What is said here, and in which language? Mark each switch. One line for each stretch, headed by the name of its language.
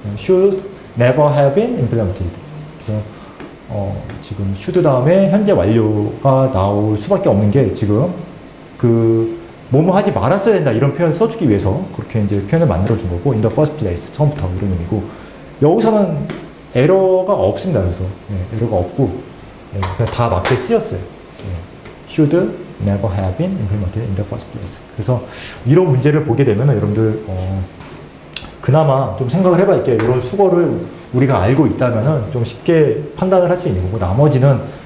English: Should never have been implemented.
Korean: 그래서 지금 should 다음에 현재 완료가 나올 수밖에 없는 게 지금 그 뭐뭐 하지 말았어야 된다 이런 표현을 써주기 위해서 그렇게 이제 표현을 만들어준 거고
English: in the first place
Korean: 처음부터 이런 의미고 여기서는 에러가 없습니다. 그래서 네, 에러가 없고 네, 그냥 다 맞게 쓰였어요. 네.
English: Should never have been implemented in the first place.
Korean: 그래서 이런 문제를 보게 되면 여러분들 그나마 좀 생각을 해봐야 할게 이런 수거를 우리가 알고 있다면 좀 쉽게 판단을 할 수 있는 거고 나머지는